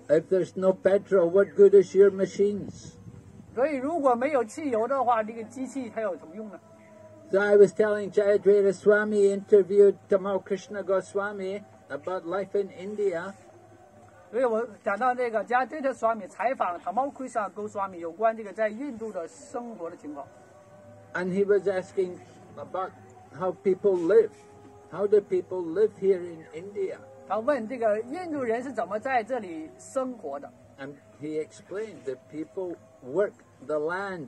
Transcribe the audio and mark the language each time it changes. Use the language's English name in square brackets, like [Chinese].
[English] If there's no petrol, what good is your machines? [Chinese] 所以如果没有汽油的话，这个机器它有什么用呢？ [English] So I was telling Jayadvaita Swami interviewed Tamal Krishna Goswami about life in India. [Chinese] 所以我讲到那个Jayadvaita Swami采访Tamal Krishna Goswami有关这个在印度的生活的情况。 [English] And he was asking about how people live. How do people live here in India? [Chinese] 他问这个印度人是怎么在这里生活的。 [English] And he explained that people work the land.